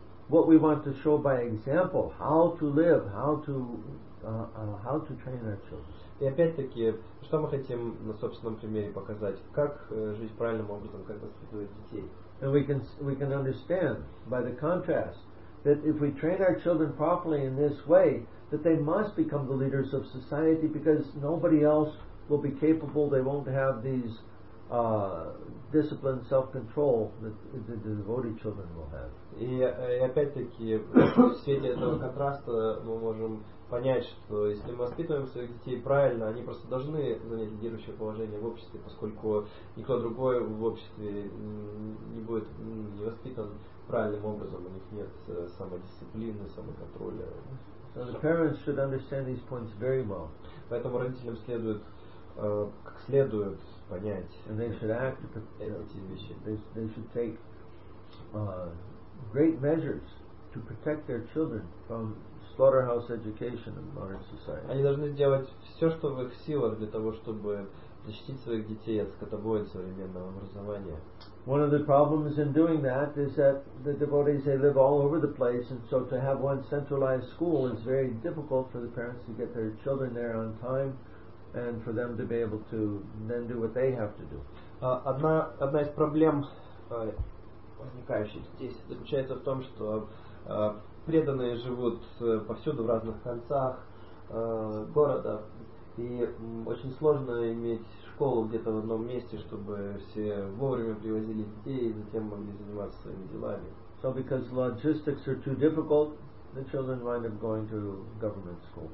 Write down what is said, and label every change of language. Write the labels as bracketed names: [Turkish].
[English] what we want to show by example, how to live, how to train our children. [Russian] И опять-таки, что мы хотим на собственном примере показать, как жить правильным образом, как воспитывать детей. [English] And we can understand by the contrast that if we train our children properly in this way, that they must become the leaders of society, because nobody else will be capable. They won't have these discipline, self-control that the devoted children will have. [Russian] И опять-таки, в свете этого контраста мы можем понять, что если мы воспитываем своих детей правильно, они просто должны занять лидирующее положение в обществе, поскольку никто другой в обществе не будет не воспитан правильным образом, у них нет самодисциплины, самоконтроля. [English] So the parents should understand these points very well. [Russian] Поэтому родителям следует как следует понять. [English] And they should act [Russian] эти вещи. [English] They should take great measures to protect their children from slaughterhouse education in modern society. [Russian] Они должны делать все, что в их силах, для того, чтобы защитить своих детей от скотобоя современного образования. [English] One of the problems in doing that is that the devotees, they live all over the place, and so to have one centralized school is very difficult for the parents to get their children there on time and for them to be able to then do what they have to do. [Russian] Одна из проблем, возникающих здесь, заключается в том, что преданные живут повсюду в разных концах города, и очень сложно иметь школу где-то в одном месте, чтобы все вовремя привозили детей и затем могли заниматься своими делами. [English] So because logistics are too difficult, the children wind up going to government school.